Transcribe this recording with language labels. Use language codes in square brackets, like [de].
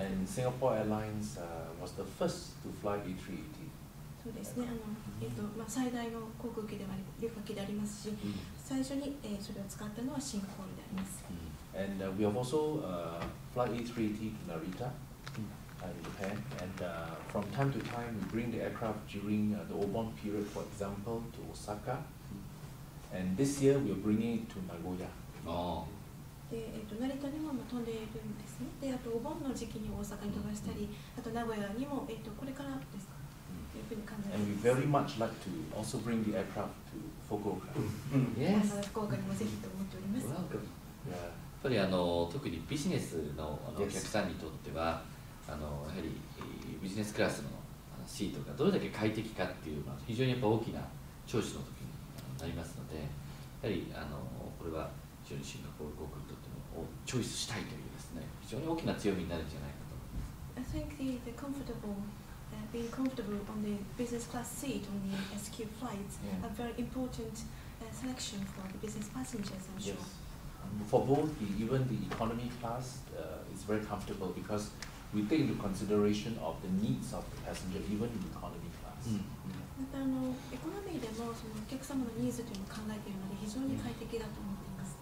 [en] And Singapore Airlines was the first to fly A380. [ja] そうですね。最大の航空機であり、旅客機でありますし、最初にそれを使ったのはシンガポールであります。 [en] And we have also fly A380 to Narita, in Japan. And from time to time, we bring the aircraft during the Obon period, for example, to Osaka. And this year, we are bringing it to Nagoya. [ja] で成田にも飛んでいるんですね。であとお盆の時期に大阪に飛ばしたり、あと名古屋にも、これからですか、というふうに考えています。 [en] And we very much like to also bring the aircraft to Fukuoka. Yes. [ja] 福岡にもぜひと思っております。 [en] Welcome. Yeah. [ja] やっぱり特にビジネスのお客さんにとっては、やはりビジネスクラスのシートがどれだけ快適かっていう、非常にやっぱ大きな長所の時になりますので、やはりこれは非常にシンガポール航空チョイスしたいというですね、非常に大きな強みになるんじゃないかと思います。 [en] I think the comfortable, being comfortable on the business class seat on the SQ flights, a very important selection for the business passengers, I'm sure. Yes. For both, even the economy class, is very comfortable because we take into consideration of the needs of the passenger, even in economy class. [ja] またエコノミーでも様のニーズというのを考えているので非常に快適だと思っています。